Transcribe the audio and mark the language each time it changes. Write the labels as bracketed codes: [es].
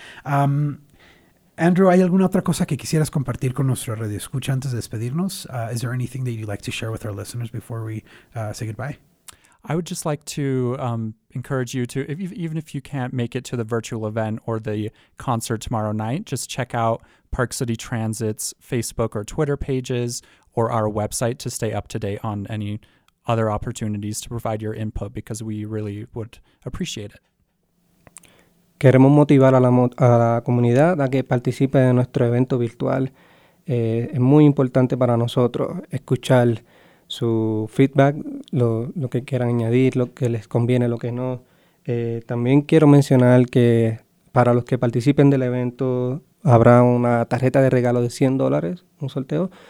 [es] Andrew, ¿hay alguna otra cosa que quisieras compartir con nuestra radioescucha antes de despedirnos? [en] Is there anything that you'd like to share with our listeners before we say goodbye? I would just like to encourage you to, even if you can't make it to the virtual event or the concert tomorrow night, just check out Park City Transit's Facebook or Twitter pages or our website to stay up to date on any other opportunities to provide your input, because we really would appreciate it. [es] Queremos motivar a la comunidad a que participe de nuestro evento virtual. Es muy importante para nosotros escuchar su feedback, lo que quieran añadir, lo que les conviene, lo que no. También quiero mencionar que para los que participen del evento habrá una tarjeta de regalo de $100, un sorteo.